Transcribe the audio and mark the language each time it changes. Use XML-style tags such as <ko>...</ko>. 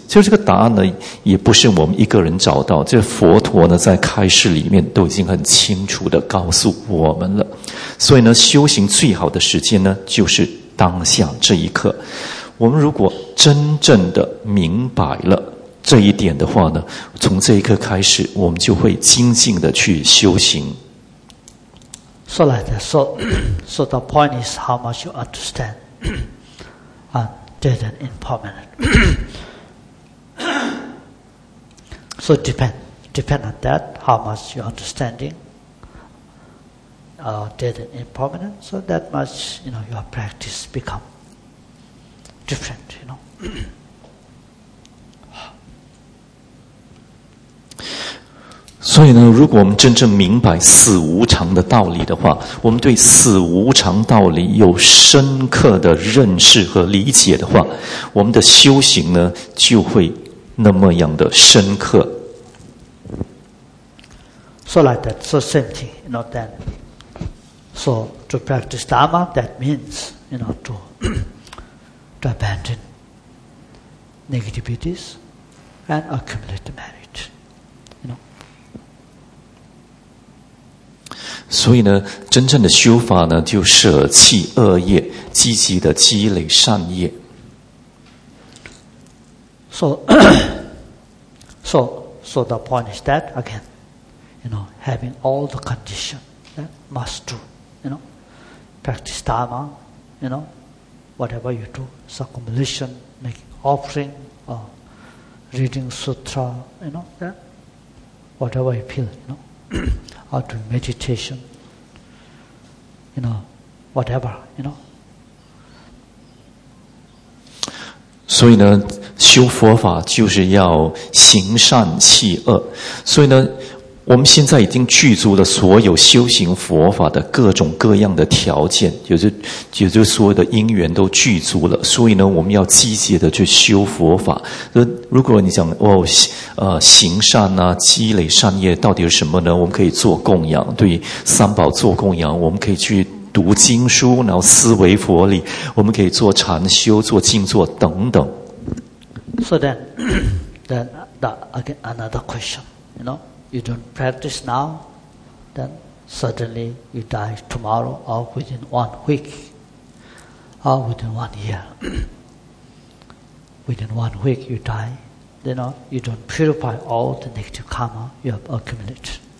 <zh>其实这个答案呢，也不是我们一个人找到，这佛陀呢，在开示里面都已经很清楚地告诉我们了。所以呢，修行最好的时间呢，就是当下这一刻。我们如果真正的明白了这一点的话呢，从这一刻开始，我们就会精进地去修行。</zh> <en>So like that, so the point is how much you understand dead and impermanent. So depend on that, how much you're understanding dead and impermanent, so that much, you know, your practice become different, you know.</en> <zh>所以呢，如果我们真正明白死无常的道理的话，我们对死无常道理有深刻的认识和理解的话，我们的修行呢就会那么样的深刻。</zh> <en>So like that, so same thing, you know that. So to practice Dharma, that means, you know, to abandon negativities and accumulate merit.</en> <zh>所以呢，真正的修法呢，就舍弃恶业，积极的积累善业。</zh> <en>So the point is that again, you know, having all the condition, that must do, you know, practice Dharma, you know, whatever you do, accumulation, making offering, or reading sutra, you know, that whatever you feel, you know. or to meditation, you know, whatever, you know.</en> <zh>所以呢，修佛法就是要行善弃恶。所以呢，我们现在已经具足了所有修行佛法的各种各样的条件，也就所有的因缘都具足了。所以呢，我们要积极的去修佛法。如果你讲哦，行善啊，积累善业，到底是什么呢？我们可以做供养，对三宝做供养，我们可以去读经书，然后思维佛理，我们可以做禅修、做静坐等等。</zh> <en>So then again, another question, you know. You don't practice now, then suddenly you die tomorrow or within 1 week or within 1 year. Within 1 week you die, you know, you don't purify all the negative karma you have accumulated.</en>